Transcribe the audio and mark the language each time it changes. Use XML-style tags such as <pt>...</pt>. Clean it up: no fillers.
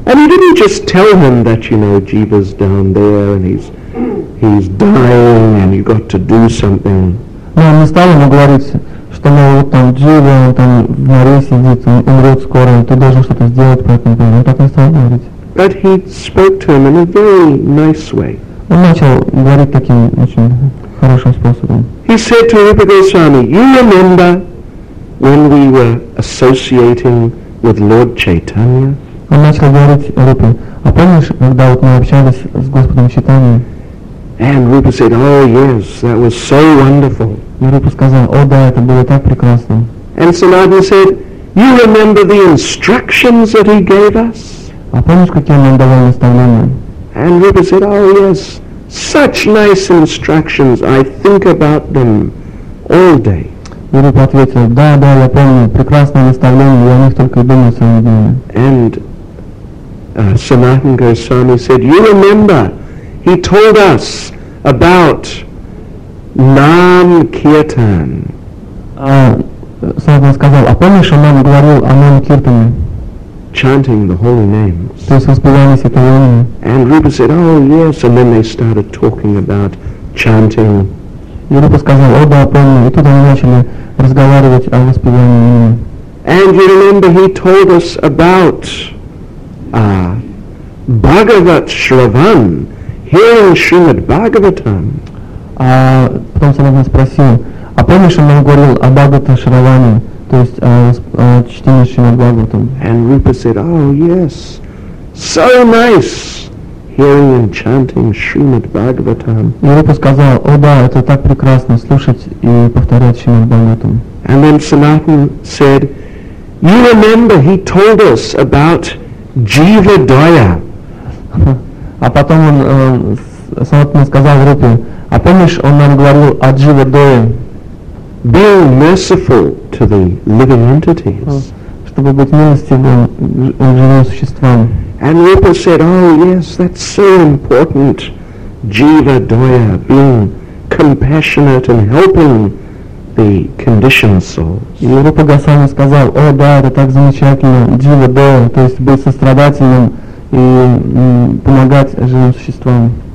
<en>And he didn't just tell him that, you know, Jiva's down there and he's dying and you got to do something.</en> <ru>Но он не стал ему говорить, что, мол, вот там Джива, он там в море сидит, он умрет скоро, ты должен что-то сделать по этому поводу. Он так не стал говорить.</ru> <en>But he spoke to him in a very nice way.</en> <ru>Он начал говорить таким очень хорошим способом.</ru> <en>He said to Rupa Goswami, you remember when we were associating with Lord Chaitanya.</en> <ru>Он начал говорить Рупе, а помнишь, когда вот мы общались с Господом Чайтаньей?</ru> <en>And Rupa said, oh yes, that was so wonderful.</en> <ru>И Рупа сказал, о да, это было так прекрасно.</ru> <en>And Sanatana said, you remember the instructions that he gave us?</en> <ru>А помнишь, какие он нам давал наставления?</ru> <en>And Rupa said, oh yes, such nice instructions, I think about them all day.</en> <ru>И Рупа ответил, да, да, я помню, прекрасное наставление, я о них только и думаю своими днями.</ru> <en>And Sanatana Goswami said, you remember, he told us about Nam Kirtan.</en> <ru>Sanatana сказал, а помнишь, он нам говорил о Нам Киртане?</ru> <en>Chanting the holy names.</en> <ru>То есть воспевание святого имени.</ru> <en>And Rupa said, oh yes, and then they started talking about chanting.</en> <ru>И Рупа сказал, о да, помню, и тут они начали разговаривать о воспевании имени.</ru> <en>And you remember he told us about Bhagavat Shravan, hearing Srimad Bhagavatam.</en> <ru>Потом Санатана спросил, а помнишь, он нам говорил о Бхагавата Шраване, то есть о чтении Шримад Бхагаватам?</ru> <en>And Rupa said, oh yes, so nice hearing and chanting Srimad Bhagavatam.</en> <ru>И Рупа сказал, о да, это так прекрасно слушать и повторять Шримад Бхагаватам.</ru> <en>And then Sanatana said, you remember he told us about Jiva Daya.</en> <ru>А потом он Санатана сказал Рупе, а помнишь, он нам говорил о Джива Дое?</ru> <en>Being merciful to the living entities.</en> <ru>Чтобы быть милостивым живым существам.</ru> <en>And Rupa said, oh yes, that's so important, Jiva Daya, being compassionate and helping the conditioned souls.</en> <ru>И Рупа Госвами сказал, о да, это так замечательно, Jiva Daya, то есть быть сострадательным и помогать живым существам.</ru>